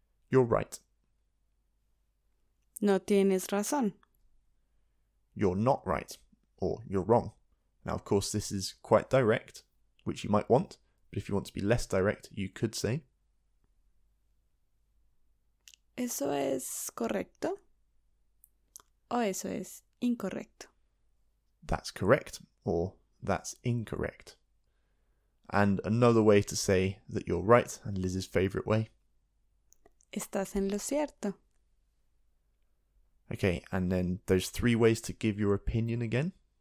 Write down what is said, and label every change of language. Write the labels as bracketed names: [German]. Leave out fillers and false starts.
[English] You're right. [Spanish] No tienes razón. [English] You're not right, or you're wrong. Now, of course, this is quite direct, which you might want, but if you want to be less direct, you could say, [Spanish] eso es correcto, o eso es incorrecto. [English] That's correct, or that's incorrect. And another way to say that you're right, and Liz's favourite way, [Spanish] estás en lo cierto. [English] Okay, and then those three ways to give your opinion again.